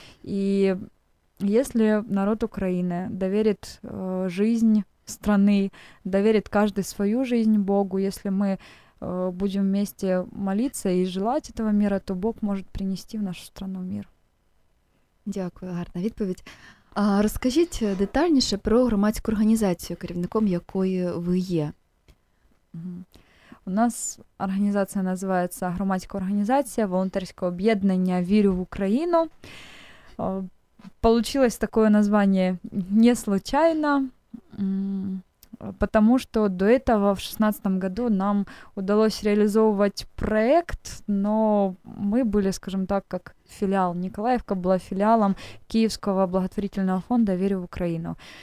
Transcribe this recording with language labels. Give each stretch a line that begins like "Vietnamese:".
Russian: И если народ Украины доверит жизнь страны, доверит каждый свою жизнь Богу. Если мы будем вместе молиться и желать этого мира, то Бог может принести в нашу страну мир.
Ukrainian: Дякую, гарна відповідь. А розкажіть детальніше про громадську організацію, керівником якої ви є. У нас організація називається «Громадська організація волонтерського об'єднання «Вірю в Україну».
Russian: Получилось такое название не случайно, потому что до этого в 2016 году нам удалось реализовывать проект, но мы были, скажем так, как филиал. Николаевка была филиалом Киевского благотворительного фонда «Верю в Украину».